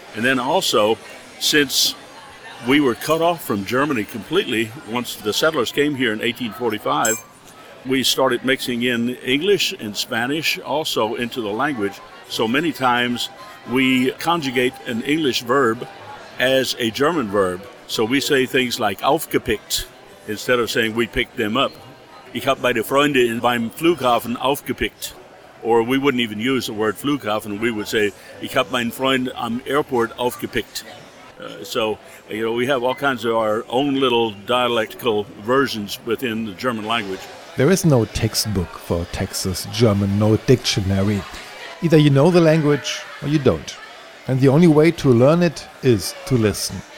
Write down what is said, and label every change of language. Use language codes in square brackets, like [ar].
[en] And then also, since we were cut off from Germany completely once the settlers came here in 1845, we started mixing in English and Spanish also into the language. So many times we conjugate an English verb as a German verb. So we say things like aufgepickt instead of saying we picked them up. [de] ich habe meine Freunde beim Flughafen aufgepickt. [en] Or we wouldn't even use the word Flughafen. We would say, [de] ich habe meinen Freund am Airport aufgepickt. [en] So, we have all kinds of our own little dialectical versions within the German language. There is no textbook for Texas German, no dictionary. Either you know the language or you don't. And the only way to learn it is to listen.